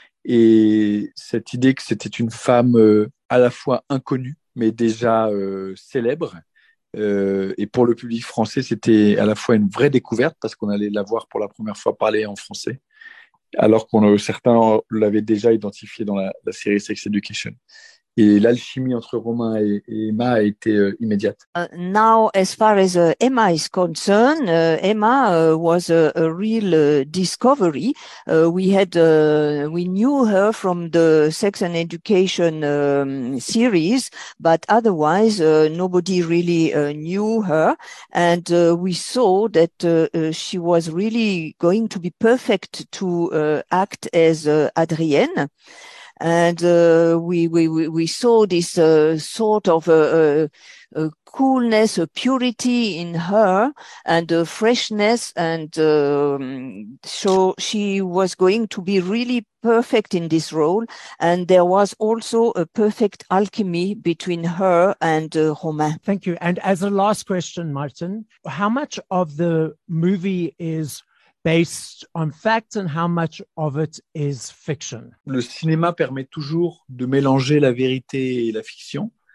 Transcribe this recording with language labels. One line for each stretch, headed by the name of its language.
French: Et cette idée que c'était une femme à la fois inconnue, mais déjà célèbre, Et pour le public français, c'était à la fois une vraie découverte parce qu'on allait la voir pour la première fois parler en français, alors qu'on certains l'avaient déjà identifié dans la série Sex Education. Et l'alchimie entre Romain et Emma a été immédiate.
English: Now, as far as Emma is concerned, Emma was a real discovery. We knew her from the Sex and Education series, but otherwise nobody really knew her. And we saw that she was really going to be perfect to act as Adrienne. And we saw this sort of a coolness, a purity in her, and a freshness, and so she was going to be really perfect in this role. And there was also a perfect alchemy between her and Romain. Thank you. And as a last question, Martin, how much of the movie is based on fact and how much of it is fiction?
French: Le cinéma permet toujours de mélanger la vérité et la fiction.